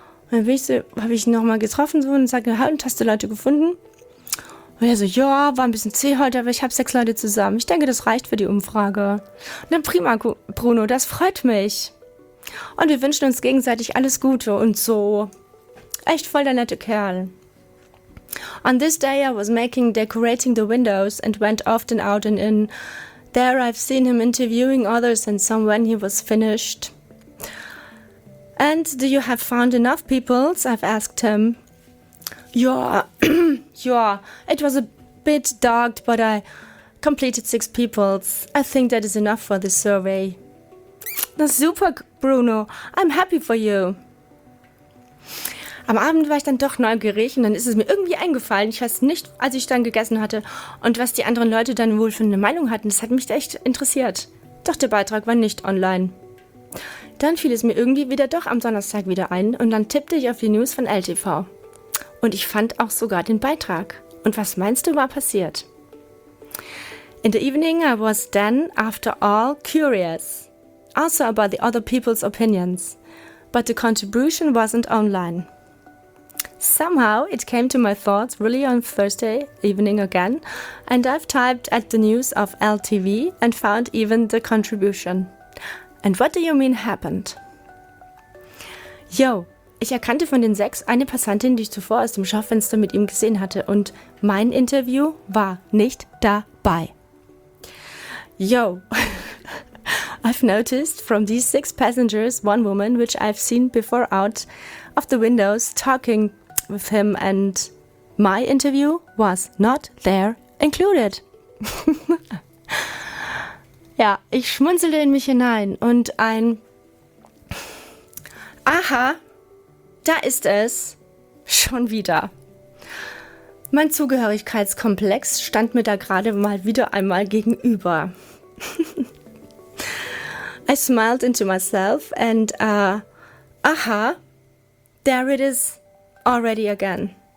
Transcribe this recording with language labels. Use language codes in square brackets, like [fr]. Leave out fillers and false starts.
[de] Und dann habe ich ihn nochmal getroffen so und sagte, hast du Leute gefunden? Und er so, ja, war ein bisschen zäh heute, aber ich habe 6 Leute zusammen. Ich denke, das reicht für die Umfrage. Na prima, Bruno, das freut mich. Und wir wünschen uns gegenseitig alles Gute und so. Echt voll der nette Kerl. [en] On this day I was decorating the windows and went often out and in. There I've seen him interviewing others and some when he was finished. And do you have found enough people? I've asked him. Yeah, it was a bit dark, but I completed 6 people. I think that is enough for this survey. [de] Das ist super, [en] Bruno. I'm happy for you. [de] Am Abend war ich dann doch neugierig und dann ist es mir irgendwie eingefallen. Ich weiß nicht, als ich dann gegessen hatte und was die anderen Leute dann wohl für eine Meinung hatten. Das hat mich echt interessiert. Doch der Beitrag war nicht online. Dann fiel es mir irgendwie wieder doch am Donnerstag wieder ein und dann tippte ich auf die News von LTV. Und ich fand auch sogar den Beitrag. Und was meinst du, war passiert? [en] In the evening I was then, after all, curious. Also about the other people's opinions. But the contribution wasn't online. Somehow it came to my thoughts really on Thursday evening again. And I've typed at the news of LTV and found even the contribution. And what do you mean happened? [de] Yo, ich erkannte von den sechs eine Passantin, die ich zuvor aus dem Schaufenster mit ihm gesehen hatte und mein Interview war nicht dabei. [en] Yo, I've noticed from these six passengers one woman which I've seen before out of the windows talking with him and my interview was not there included. [de] Ja, ich schmunzelte in mich hinein und ein Aha, da ist es schon wieder. Mein Zugehörigkeitskomplex stand mir da gerade mal wieder einmal gegenüber. [en] I smiled into myself and aha, there it is already again.